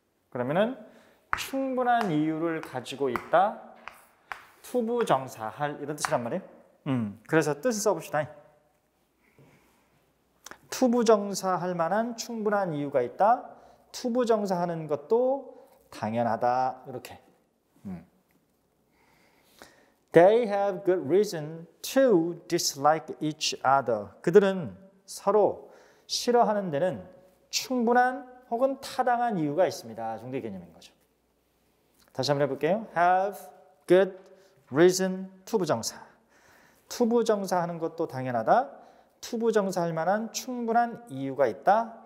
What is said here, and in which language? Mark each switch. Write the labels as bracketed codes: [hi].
[ko] 그러면은 충분한 이유를 가지고 있다 to 부정사할 이런 뜻이란 말이에요. 그래서 뜻을 써봅시다. 투부정사할 만한 충분한 이유가 있다. 투부정사하는 것도 당연하다. 이렇게. [en] They have good reason to dislike each other. [ko] 그들은 서로 싫어하는 데는 충분한 혹은 타당한 이유가 있습니다. 정도의 개념인 거죠. 다시 한번 해볼게요. [en] Have good reason to [ko] 부정사. 투부정사하는 것도 당연하다. 투부정사할 만한 충분한 이유가 있다.